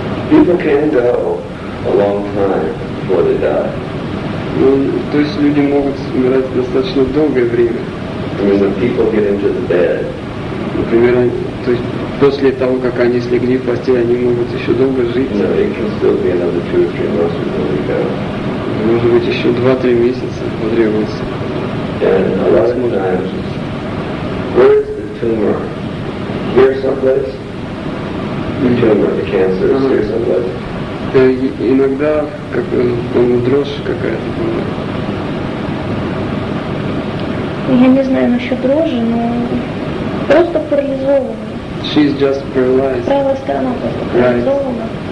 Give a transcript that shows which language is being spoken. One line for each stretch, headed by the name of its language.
English: People can go a long time before they die.
Russian: Ну, то есть люди могут умирать достаточно долгое время.
English: I mean, when people get into the bed.
Russian: Например, то есть после того, как они слегли в постель, они могут еще долго жить.
English: No, it can still be another 2 or 3 months before they go.
Russian: Может быть, еще 2-3 месяца потребуется.
English: And a lot of times, where is the tumor? Here someplace? The tumor, the cancer,
Russian: Иногда, как дрожь какая-то. Я не знаю насчет дрожи, но просто парализована.
English: She's just paralyzed.
Russian: Правая сторона просто парализована.